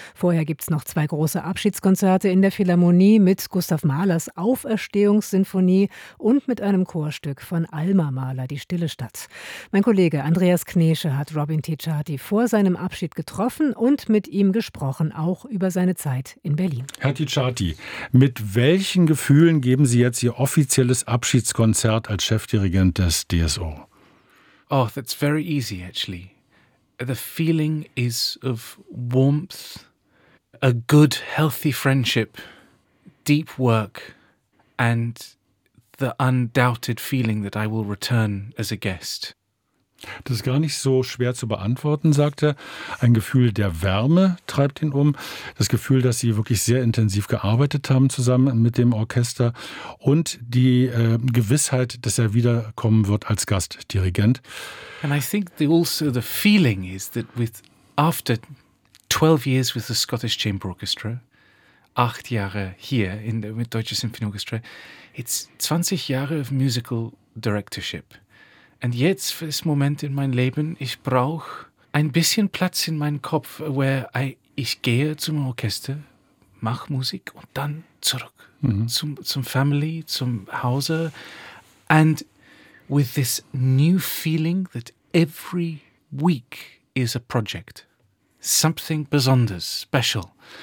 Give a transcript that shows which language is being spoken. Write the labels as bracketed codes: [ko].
[de] Vorher gibt es noch 2 große Abschiedskonzerte in der Philharmonie mit Gustav Mahlers Auferstehungssinfonie und mit einem Chorstück von Alma Mahler, Die stille Stadt. Mein Kollege Andreas Knesche hat Robin Ticciardi vor seinem Abschied getroffen und mit ihm gesprochen, auch über seine Zeit in Berlin. Herr Ticciardi, mit welchen Gefühlen geben Sie jetzt Ihr offizielles Abschiedskonzert als Chefdirigent des DSO? [en] Oh, that's very easy, actually. The feeling is of warmth, a good, healthy friendship, deep work, and the undoubted feeling that I will return as a guest. [de] Das ist gar nicht so schwer zu beantworten, sagt er. Ein Gefühl der Wärme treibt ihn um. Das Gefühl, dass sie wirklich sehr intensiv gearbeitet haben zusammen mit dem Orchester. Und die Gewissheit, dass er wiederkommen wird als Gastdirigent. [en] And I think also the feeling is that with after 12 years with the Scottish Chamber Orchestra, [de] 8 Jahre hier in [en] the, with Deutsche Symphonieorchester, it's 20 [de] Jahre [en] of musical directorship. And [de] jetzt für diesen Moment in meinem Leben, ich brauche ein bisschen Platz in meinem Kopf, [en] where [de] ich gehe zum Orchester, mach Musik und dann zurück zum Family, zum Hause. [en] And with this new feeling that every week is a project, something [de] besonders, [en] special.